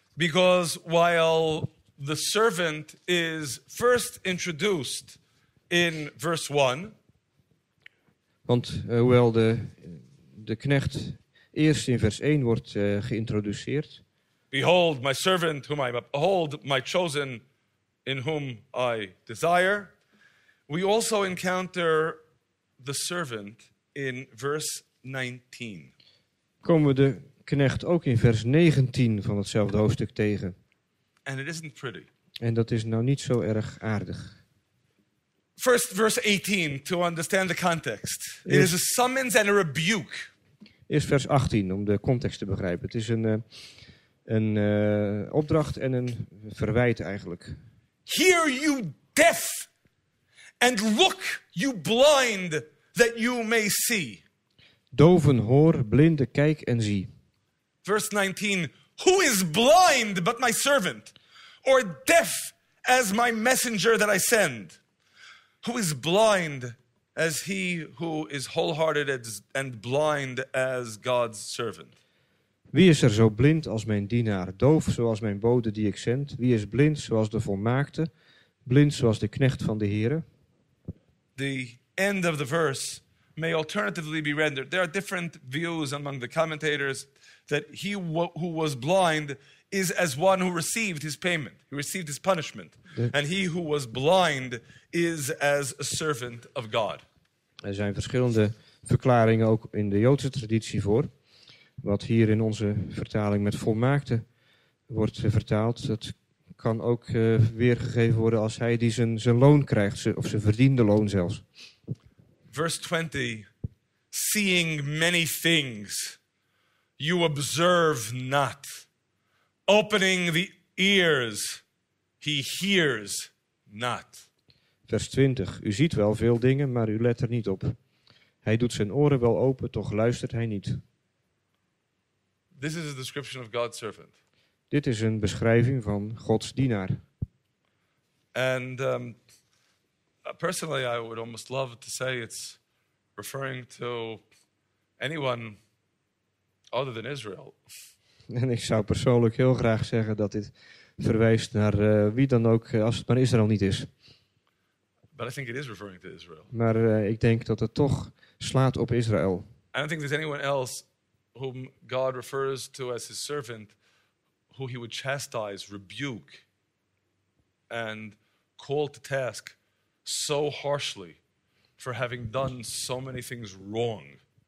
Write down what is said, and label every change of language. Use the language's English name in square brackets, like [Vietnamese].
[English] Because while the servant is first introduced in verse 1. [Dutch] Want hoewel de knecht eerst in vers 1 wordt geïntroduceerd. [English] Behold my servant whom I behold my chosen in whom I desire. We also encounter the servant in verse 19. [Dutch] Komen we de knecht ook in vers 19 van hetzelfde hoofdstuk tegen. [English] And it isn't pretty. [Dutch] En dat is nou niet zo erg aardig. [English] First verse 18 to understand the context. It is a summons and a rebuke. [Dutch] Eerst vers 18 om de context te begrijpen. Het is een opdracht en een verwijt eigenlijk. [English] Hear you deaf and look you blind that you may see. [Dutch] Doven hoor, blinden kijk en zie. [English] Verse 19. Who is blind but my servant? Or deaf as my messenger that I send? Who is blind as he who is wholehearted and blind as God's servant? [Dutch] Wie is er zo blind als mijn dienaar, doof zoals mijn bode die ik zend? Wie is blind zoals de volmaakte, blind zoals de knecht van de Heere? [English] The end of the verse may alternatively be rendered. There are different views among the commentators that he who was blind is as one who received his payment, who received his punishment. And he who was blind is as a servant of God. [Dutch] Er zijn verschillende verklaringen ook in de Joodse traditie voor. Wat hier in onze vertaling met volmaakte wordt vertaald, dat kan ook weergegeven worden als hij die zijn loon krijgt, of zijn verdiende loon zelfs. [English] Verse 20, seeing many things, you observe not. Opening the ears, he hears not. [Dutch] Vers 20. U ziet wel veel dingen, maar u let er niet op. Hij doet zijn oren wel open, toch luistert hij niet. [English] This is a description of God's servant. [Dutch] Dit is een beschrijving van Gods dienaar. [English] And personally, I would almost love to say it's referring to anyone other than Israel. [Dutch] En ik zou persoonlijk heel graag zeggen dat dit verwijst naar wie dan ook, als het maar Israël niet is. [English] But I think it is referring to Israel. [Dutch] Maar ik denk dat het toch slaat op Israël. [English] I don't think there's anyone else whom God refers to as his servant, who he would chastise, rebuke, and call to task so harshly for having done so many things wrong.